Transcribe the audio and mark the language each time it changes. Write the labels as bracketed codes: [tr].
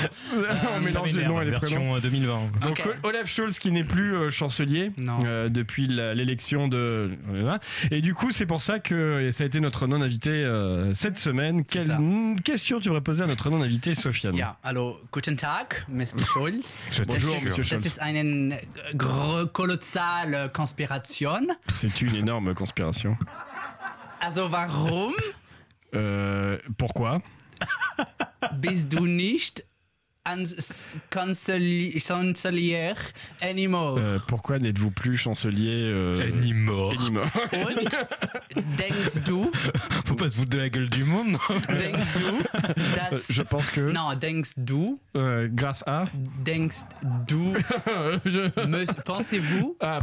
[fr] On mélange les noms et les prénoms. Version 2020. Donc, okay. Olaf Scholz qui n'est plus chancelier depuis l'élection de. Et du coup, c'est pour ça que ça a été notre non-invité cette semaine. Quelle question tu aurais posé à notre non-invité, Sofiane? [de] Yeah. Allô, guten Tag, Mr. Scholz. [fr] Bonjour, Monsieur Scholz. [de] Das ist eine kolossale Konspiration. [fr] C'est une énorme conspiration. [de] Also, warum? [fr] Pourquoi? [de] Bist du nicht ein Chancelier anymore? [fr] Pourquoi n'êtes-vous plus chancelier [en] anymore? [de] Und denkst du? [fr] Faut pas se foutre de la gueule du monde, non? [de] Denkst du? Das [fr] je pense que. [de] Non, denkst du? [fr] Grâce à? [de] Denkst du? [fr] pensez-vous?